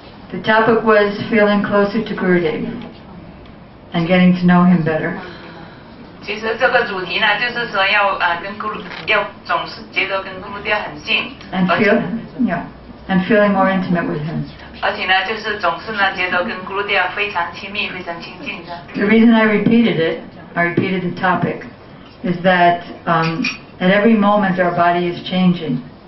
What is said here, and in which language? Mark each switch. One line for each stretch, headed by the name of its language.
English: The topic was feeling closer to Gurudev and getting to know him better.
Chinese: 其实这个主题呢，就是说要跟咕噜要总是觉得跟咕噜爹很近
English: ，and feel yeah, and feeling more intimate with him.
Chinese: 而且呢，就是总是呢，觉得跟 Gurudeva 非常亲密，非常亲近的。
English: The reason I repeated it, I repeated the topic, is that at every moment our body is changing.